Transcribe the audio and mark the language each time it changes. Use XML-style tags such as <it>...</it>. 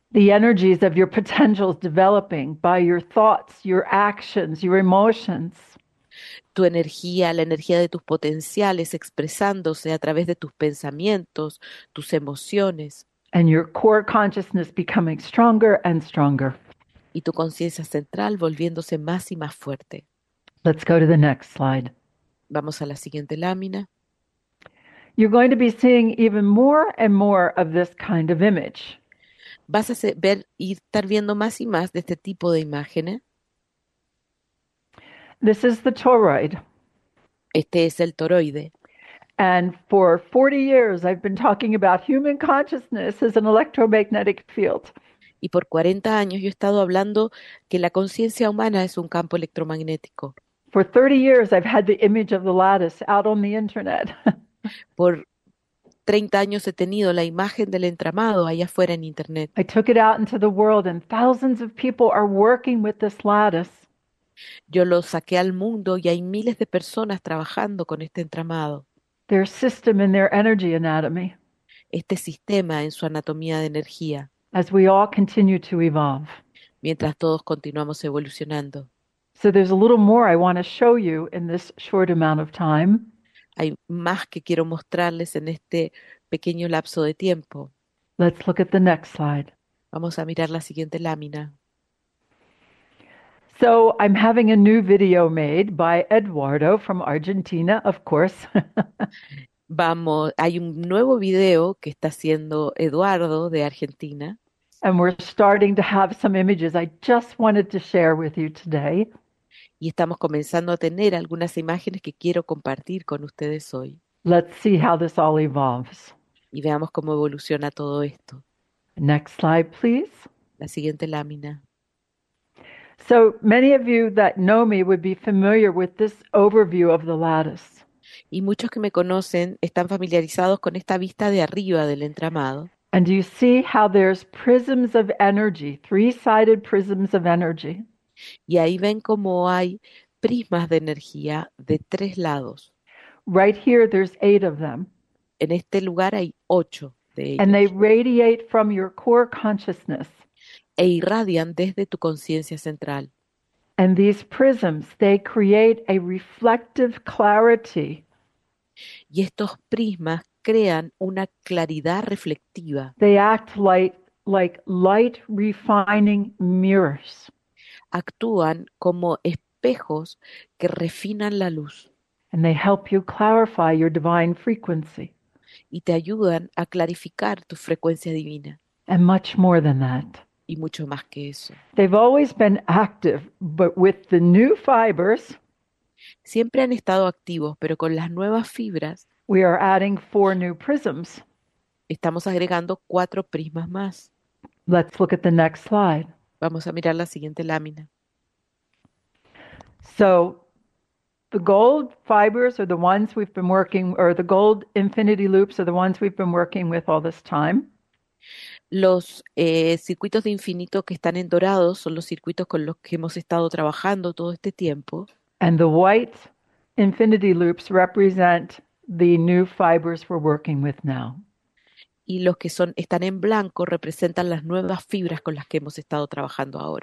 <en>The energies of your potentials developing by your thoughts, your actions, your emotions.</en> <es>Tu energía, la energía de tus potenciales expresándose a través de tus pensamientos, tus emociones.</es> <en>And your core consciousness becoming stronger and stronger.</en> <es>Y tu conciencia central volviéndose más y más fuerte.</es> <en>Let's go to the next slide.</en> <es>Vamos a la siguiente lámina.</es> <en>You're going to be seeing even more and more of this kind of image.</en> <es>Vas a ver y estar viendo más y más de este tipo de imágenes.</es> <en>This is the toroid.</en> <es>Este es el toroide.</es> <en>And for 40 years I've been talking about human consciousness as an electromagnetic field.</en> <es>Y por 40 años yo he estado hablando que la conciencia humana es un campo electromagnético.</es> <en>For 30 years I've had the image of the lattice out on the internet.</en> <es>Por 30 años he tenido la imagen del entramado allá afuera en internet.</es> <en>I took it out into the world and thousands of people are working with this lattice.</en> <es>Yo lo saqué al mundo y hay miles de personas trabajando con este entramado.</es> <en>Their system in their energy anatomy.</en> <es>Este sistema en su anatomía de energía.</es> <en>As we all continue to evolve.</en> <es>Mientras todos continuamos evolucionando.</es> <en>So there's a little more I want to show you in this short amount of time.</en> <es>Hay más que quiero mostrarles en este pequeño lapso de tiempo.</es> <en>Let's look at the next slide.</en> <es>Vamos a mirar la siguiente lámina.</es> <en>So I'm having a new video made by Eduardo from Argentina, of course.</en> <es>Vamos, hay un nuevo video que está haciendo Eduardo de Argentina.</es> <en>And we're starting to have some images I just wanted to share with you today.</en> <es>Y estamos comenzando a tener algunas imágenes que quiero compartir con ustedes hoy.</es> <en>Let's see how this all evolves.</en> <es>Y veamos cómo evoluciona todo esto.</es> <en>Next slide, please.</en> <es>La siguiente lámina.</es> <en>So many of you that know me would be familiar with this overview of the lattice.</en> <es>Y muchos que me conocen están familiarizados con esta vista de arriba del entramado.</es> <en>And you see how there's prisms of energy, three-sided prisms of energy.</en> <es>Y ahí ven cómo hay prismas de energía de tres lados.</es> <en>Right here there's eight of them.</en> <es>En este lugar hay ocho de ellos.</es> <en>And they radiate from your core consciousness.</en> <es>E irradian desde tu conciencia central.</es> <en>And these prisms, they create a reflective clarity.</en> <es>Y estos prismas crean una claridad reflectiva.</es> <en>They act like light refining mirrors.</en> <es>actúan como espejos que refinan la luz</es> <en>And they help you clarify your divine frequency.</en> <es>y te ayudan a clarificar tu frecuencia divina.</es> <en>And much more than that.</en> <es>Y mucho más que eso.</es> <en>They've always been active, but with the new fibers,</en> <es>siempre han estado activos, pero con las nuevas fibras,</es> <en>we are adding four new prisms.</en> <es>estamos agregando cuatro prismas más.</es> <en>Let's look at the next slide.</en> <es>Vamos a mirar la siguiente lámina.</es> <en>So, the gold fibers are the ones we've been working, or the gold infinity loops are the ones we've been working with all this time.</en> <es>Los circuitos de infinito que están en dorado son los circuitos con los que hemos estado trabajando todo este tiempo.</es> <en>And the white infinity loops represent the new fibers we're working with now.</en> <es>Y los que son están en blanco representan las nuevas fibras con las que hemos estado trabajando ahora.</es>